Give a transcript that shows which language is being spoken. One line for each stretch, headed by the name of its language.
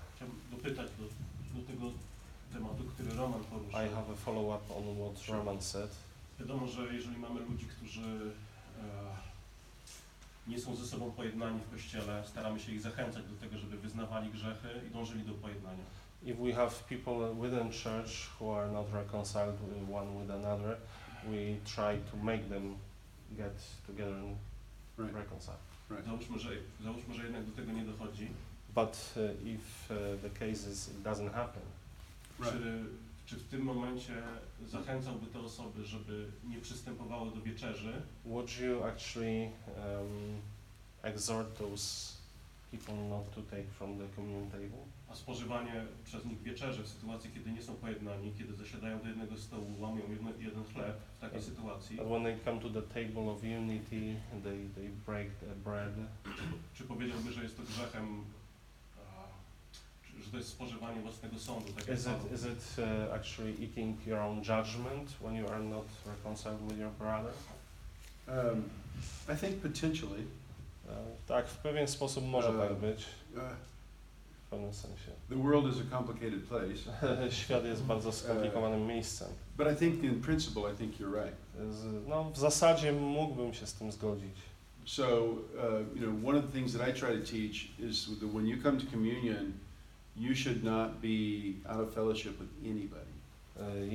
Polish: Chciałbym dopytać do tego tematu, który Roman poruszył.
English: I have a follow-up on what Roman said.
Polish: Wiadomo, że jeżeli mamy ludzi, którzy nie są ze sobą pojednani w kościele, staramy się ich zachęcać do tego, żeby wyznawali grzechy i dążyli do pojednania.
English: If we have people within church who are not reconciled one with another, we try to make them get together and right. Reconcile. Right.
Polish: Załóżmy, że jednak do tego nie dochodzi.
English: But if the case is, it doesn't happen. Right.
Polish: Czy w tym momencie zachęcałby te osoby, żeby nie przystępowały do wieczerzy?
English: Would you actually exhort those people not to take from the communion table?
Polish: A spożywanie przez nich wieczerzy w sytuacji, kiedy nie są pojednani, kiedy zasiadają do jednego stołu, łamią jeden chleb w takiej sytuacji.
English: But when they come to the table of unity, they break the bread.
Polish: Czy powiedziałby, że jest to grzechem, że to jest spożywanie własnego sądu? Tak
English: is it actually eating your own judgment when you are not reconciled with your brother? I think potentially.
Polish: Tak, w pewien sposób może tak być. W pewnym sensie.
English: The world is a complicated place.
Polish: Świat jest bardzo skomplikowanym miejscem.
English: But I think in principle I think you're right.
Polish: No, w zasadzie mógłbym się z tym zgodzić.
English: So, you know, one of the things that I try to teach is that when you come to communion, you should not be out of fellowship with anybody.